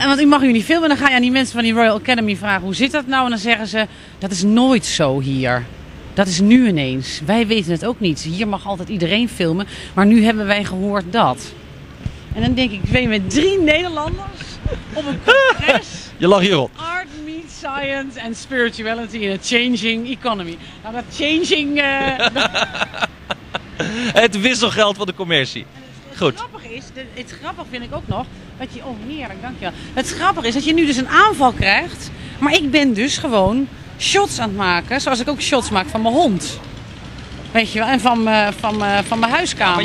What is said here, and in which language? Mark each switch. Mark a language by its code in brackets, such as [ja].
[nl] En want u mag hier niet filmen. Dan ga je aan die mensen van die Royal Academy vragen, hoe zit dat nou? En dan zeggen ze, dat is nooit zo hier. Dat is nu ineens. Wij weten het ook niet. Hier mag altijd iedereen filmen. Maar nu hebben wij gehoord dat. En dan denk ik, ben je met 3 Nederlanders op een congres. Je lag hierop. [en] Art meets science and spirituality in a changing economy. [nl] Nou, dat changing. Het wisselgeld van de commercie. Goed. Het grappige vind ik ook nog. Dat je, oh, heerlijk, dankjewel. Het grappige is dat je nu dus een aanval krijgt. Maar ik ben dus gewoon shots aan het maken. Zoals ik ook shots maak van mijn hond. Weet je wel? En van mijn huiskamer.